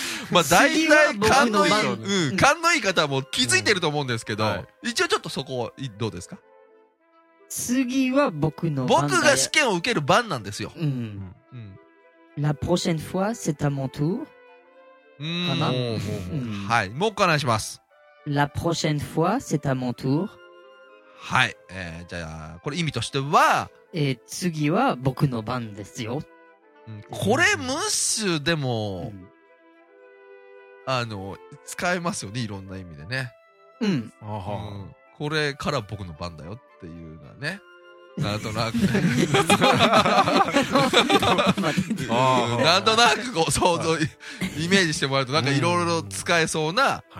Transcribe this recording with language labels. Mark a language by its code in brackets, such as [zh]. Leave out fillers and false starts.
[ja] まあ大体勘のいい、うん、勘のいい方はもう気づいてると思うんですけど、はい、一応ちょっとそこどうですか、次は僕の番、僕が試験を受ける番なんですよ、 [fr] うんうん、La prochaine fois c'est à mon tour、 [ja] かな、はい、もう一回お願いします、 [fr] La prochaine fois c'est à mon tour、 [ja] はい、じゃあこれ意味としては、次は僕の番ですよ、うん、これムッシュでも、うん、使えますよね、いろんな意味でね、うん、あは、うん、これから僕の番だよっていうのはね、なんとなくなんとなくこう想像、はい、イメージしてもらうとなんかいろいろ使えそうな、うん、